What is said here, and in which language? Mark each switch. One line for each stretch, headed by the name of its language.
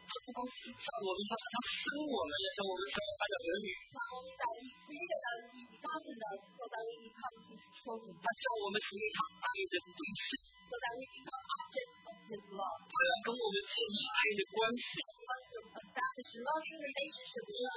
Chinese: 他不光是造我们，他还要生我们，要将我们生为他的儿女。
English: Not only that he created us, he adopted us, so that we become his children.
Chinese: 他将我们成为他爱的对象。
English: So that we become objects of his love.
Chinese: 他要跟我们建立爱的关系。
English: He wants to establish loving relationship with us.